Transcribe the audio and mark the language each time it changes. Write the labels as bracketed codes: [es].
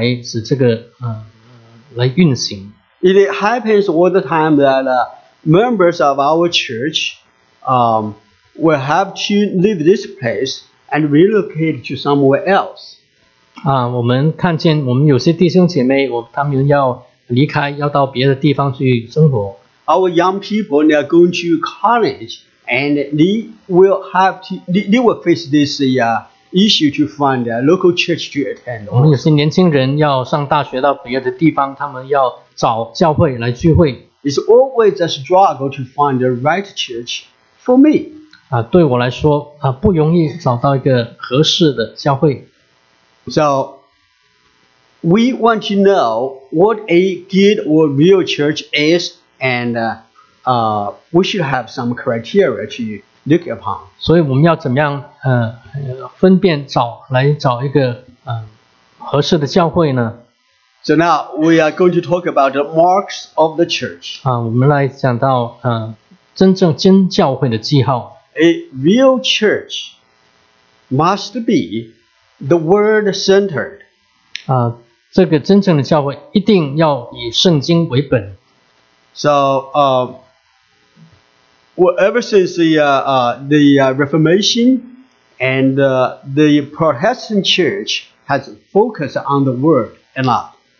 [zh] 我们需要整体来看，我们是各位肢体是一个有机互，我们连在耶稣基督，我们也需要各个组织来使这个来运行。 [en] It happens all the time that. Members of our church will have to leave this place and relocate to somewhere else. [zh] 我们看见我们有些弟兄姐妹，他们要离开，要到别的地方去生活。 [en] Our young people, they are going to college, and they will face this issue to find a local church to attend. [zh] 我们有些年轻人要上大学到别的地方，他们要找教会来聚会。 [en] It's always a struggle to find the right church for me. [zh] 对我来说，不容易找到一个合适的教会。 [en] So, we want to know what a good or real church is, and we should have some criteria to look upon. [zh] 所以我们要怎么样, 分辨找一个, 合适的教会呢? [en] So now we are going to talk about the marks of the church. [zh] 我们来讲到, 真正真教会的记号。 [en] A real church must be the word centered. [zh] 这个真正的教会一定要以圣经为本。 [en] So, well, ever since the Reformation and the Protestant Church has focused on the Word a lot.